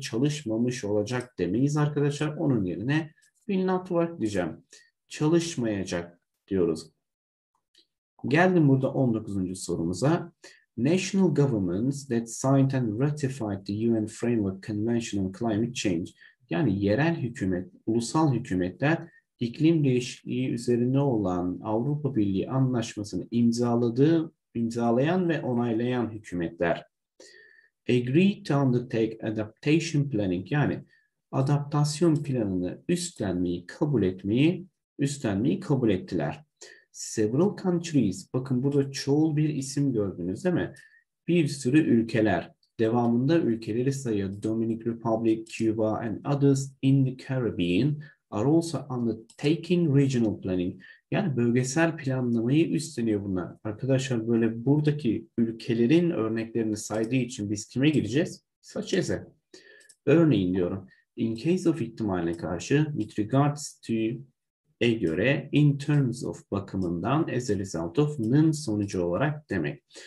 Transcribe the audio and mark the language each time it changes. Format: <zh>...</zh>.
<tr>Çalışmamış olacak demeyiz arkadaşlar. Onun yerine</tr> <en>will not work</en> <tr>diyeceğim. Çalışmayacak diyoruz. Geldim burada 19. sorumuza.</tr> <en>National governments that signed and ratified the UN Framework Convention on Climate Change.</en> <tr>Yani yerel hükümet, ulusal hükümetler iklim değişikliği üzerine olan Avrupa Birliği anlaşmasını imzalayan ve onaylayan hükümetler.</tr> <en>Agreed to undertake adaptation planning,</en> <tr>yani adaptasyon planını üstlenmeyi kabul ettiler.</tr> <en>Several countries,</en> <tr>bakın burada çoğul bir isim gördünüz değil mi? Bir sürü ülkeler. Devamında ülkeleri sayıyor.</tr> <en>Dominican Republic, Cuba and others in the Caribbean are also undertaking regional planning.</en> <tr>Yani bölgesel planlamayı üstleniyor bunlar. Arkadaşlar böyle buradaki ülkelerin örneklerini saydığı için biz kime gireceğiz? Such as'e. Örneğin diyorum.</tr> <en>In case of</en> <tr>ihtimaline karşı,</tr> <en>with regards to</en> <tr>E göre</tr> <en>in terms of</en> <tr>bakımından</tr> <en>as a result of'ın</en> <tr>sonucu olarak demek.</tr>